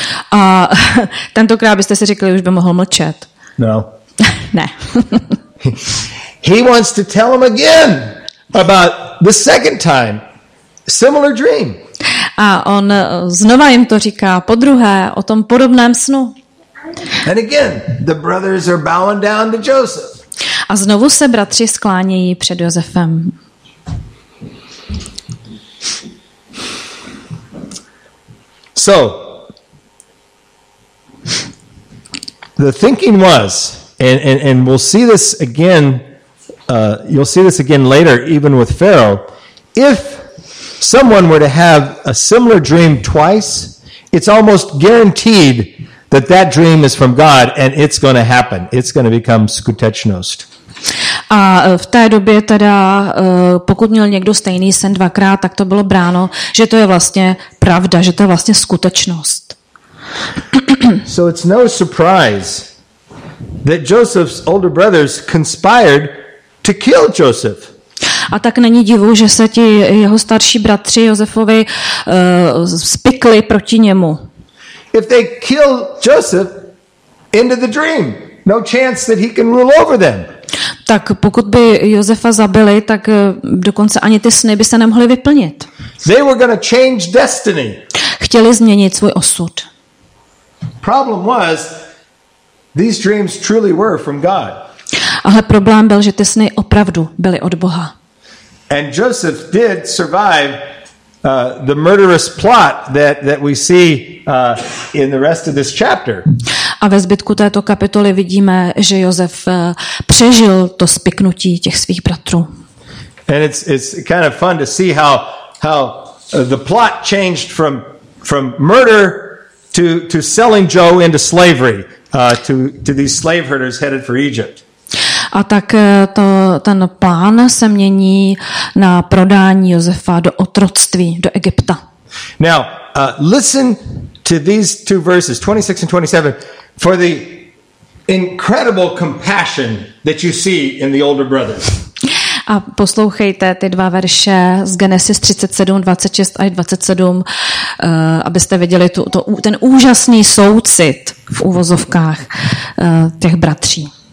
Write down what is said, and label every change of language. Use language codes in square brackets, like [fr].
[cs] A tentokrát byste si řekli, už by mohl mlčet. [en] No. [cs] Ne. [en] He wants to tell him again about the second time similar dream. [cs] A on znova jim to říká po druhé o tom podobném snu. [en] And again, the brothers are bowing down to Joseph. [cs] A znovu se bratři sklánějí před Josefem. [en] So the thinking was, and we'll see this again, you'll see this again later, even with Pharaoh, if someone were to have a similar dream twice, it's almost guaranteed that that dream is from God and it's going to happen. It's going to become [cs] skutečnost. A v té době teda, pokud měl někdo stejný sen dvakrát, tak to bylo bráno, že to je vlastně pravda, že to je vlastně skutečnost. [en] So it's no surprise that Joseph's older brothers conspired to kill Joseph. [cs] A tak není divu, že se ti jeho starší bratři Josefovi spikli proti němu. [en] If they kill Joseph into the dream, no chance that he can rule over them. [cs] Tak pokud by Josefa zabili, tak dokonce ani ty sny by se nemohly vyplnit. [en] They were going to change destiny. [cs] Chtěli změnit svůj osud. [en] Problem was, These dreams truly were from God. [cs] Ale problém byl, že ty sny opravdu byly od Boha. [en] And Joseph did survive the murderous plot that we see in the rest of this chapter. [cs] A ve zbytku této kapitoly vidíme, že Josef přežil to spiknutí těch svých bratrů. [en] And it's kind of fun to see how the plot changed from murder to selling Joe into slavery to these slave herders headed for Egypt. [cs] A tak to ten plán se mění na prodání Josefa do otroctví do Egypta. [en] Now, listen to these two verses 26 and 27 for the incredible compassion that you see in the older brothers. [cs] A poslouchejte ty dva verše z Genesis 37, 26 a 27, abyste viděli ten úžasný soucit v uvozovkách těch bratří.